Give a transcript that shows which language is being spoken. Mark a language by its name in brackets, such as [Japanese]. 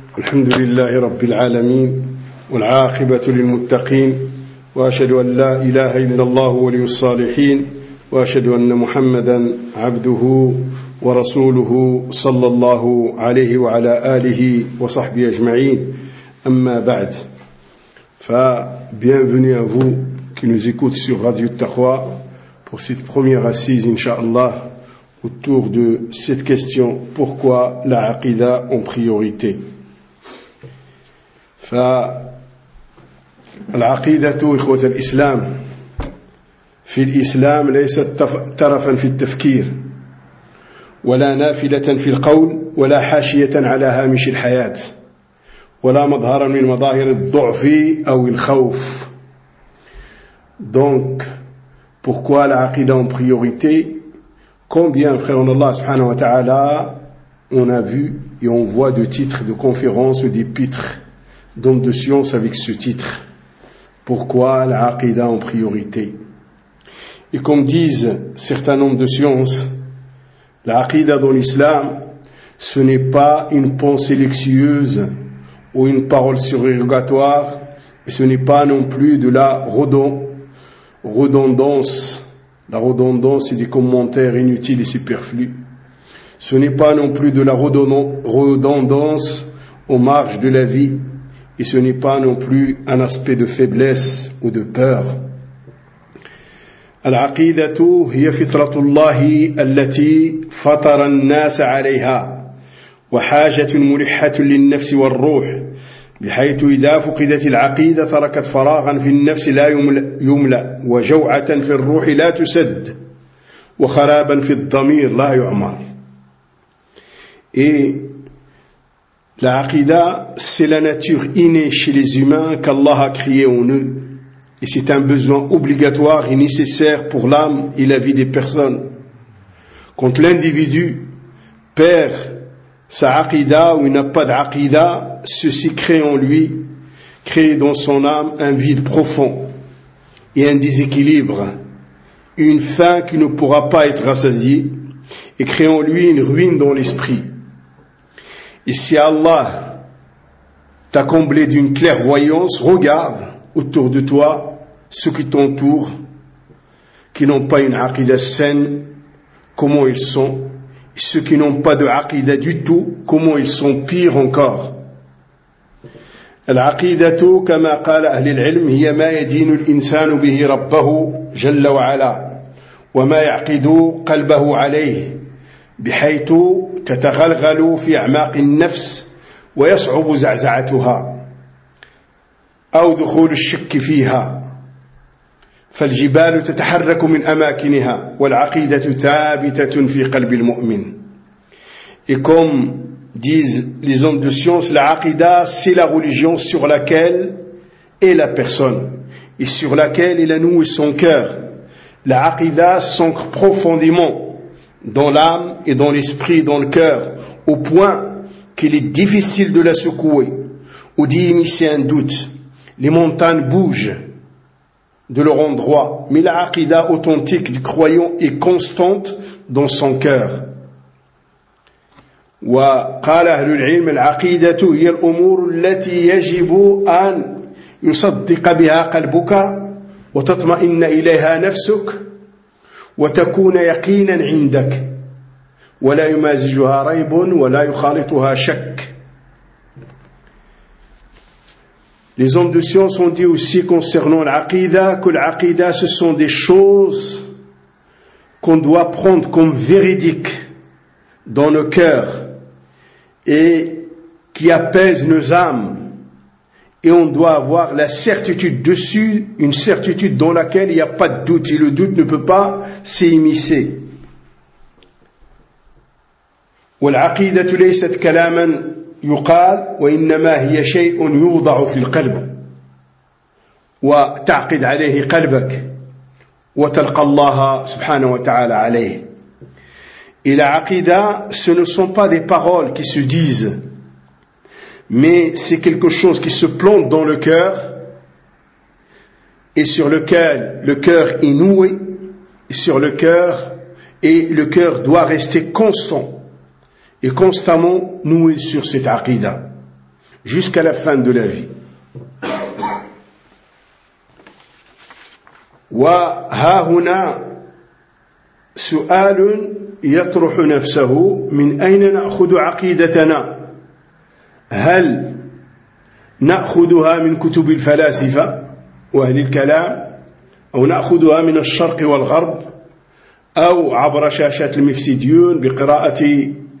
[Arabic] الحمد لله رب العالمين، والعاقبة للمتقين، وأشهد أن لا إله إلا الله ولي الصالحين، وأشهد أن محمدا عبده ورسوله صلى الله عليه وعلى آله وصحبه أجمعين. أما بعد، فبيانبني [French] à vous qui nous écoutez sur Radio Taqwa pour cette première assise inshallah autour de cette question: pourquoi la aqida en priorité? [Arabic] فالعقيدة إخوة الإسلام في الإسلام ليست ترفا في التفكير ولا نافلة في القول ولا حاشية على هامش الحياة ولا مظهرا من مظاهر الضعف أو الخوف. [French] Donc pourquoi la aqida en priorité? Combien, frères en Allah [Arabic] subhanahu wa ta'ala, [French] on a vu et on voit de titres de conférences ou d'épîtres d'hommes de science avec ce titre: pourquoi l'aqida en priorité? Et comme disent certains hommes de science, l'aqida dans l'islam, ce n'est pas une pensée luxueuse ou une parole surérogatoire, et ce n'est pas non plus de la redondance. La redondance, c'est des commentaires inutiles et superflus. Ce n'est pas non plus de la redondance aux marges de la vie, et ce n'est pas non plus un aspect de faiblesse ou de peur. [Arabic] Al-aqidatu hiya fitratullahi allati fatara an-nasa 'alayha wa hajatun mulihatun lin-nafsi war-ruh بحيث إذا فقدت العقيدة تركت فراغا في النفس لا يملأ وجوعة في الروح لا تسد وخرابا في الضمير لا يعمر. [French] Et la aqida, c'est la nature innée chez les humains qu'Allah a créée en eux, et c'est un besoin obligatoire et nécessaire pour l'âme et la vie des personnes. Quand l'individu perd sa aqida ou il n'a pas d'aqida, ceci crée en lui, crée dans son âme un vide profond et un déséquilibre, une faim qui ne pourra pas être rassasiée, et crée en lui une ruine dans l'esprit. Et si Allah t'a comblé d'une clairvoyance, regarde autour de toi ceux qui t'entourent, qui n'ont pas une aqida saine, comment ils sont, et ceux qui n'ont pas de aqida du tout, comment ils sont pires encore. [Arabic] العقيدة كما قال أهل العلم هي ما يدين الإنسان به ربه جل وعلا وما يعقد قلبه عليه بحيث تتغلغل في أعماق النفس ويصعب زعزعتها أو دخول الشك فيها، فالجبال تتحرك من أماكنها والعقيدة ثابتة في قلب المؤمن. إكم [French] disent les hommes de science, la aqida, c'est la religion sur laquelle est la personne et sur laquelle il a noué son cœur. La aqida s'ancre profondément dans l'âme et dans l'esprit, dans le cœur, au point qu'il est difficile de la secouer ou d'y initier un doute. Les montagnes bougent de leur endroit, mais la aqida authentique du croyant est constante dans son cœur. [Arabic] وقال أهل العلم العقيدة هي الأمور التي يجب أن يصدق بها قلبك وتطمئن إليها نفسك وتكون يقينا عندك ولا يمازجها ريب ولا يخالطها شك. [French] Les hommes de science ont dit aussi concernant l'aqida que l'aqida, ce sont des choses qu'on doit prendre comme véridiques dans nos cœurs et qui apaise nos âmes, et on doit avoir la certitude dessus, une certitude dans laquelle il n'y a pas de doute, et le doute ne peut pas s'immiscer. [Arabic] والعقيدة ليست كلاما يقال وإنما هي شيء يوضع في القلب وتعقد عليه قلبك وتلقى الله سبحانه وتعالى عليه. [French] Et la aqida, ce ne sont pas des paroles qui se disent, mais c'est quelque chose qui se plante dans le cœur, et sur lequel le cœur est noué, et sur le cœur, et le cœur doit rester constant. et constamment noué sur cette aqida jusqu'à la fin de la vie. [Arabic] وها هنا سؤال يطرح نفسه من أين نأخذ عقيدتنا هل نأخذها من كتب الفلاسفة وأهل الكلام أو نأخذها من الشرق والغرب أو عبر شاشات المفسديون بقراءة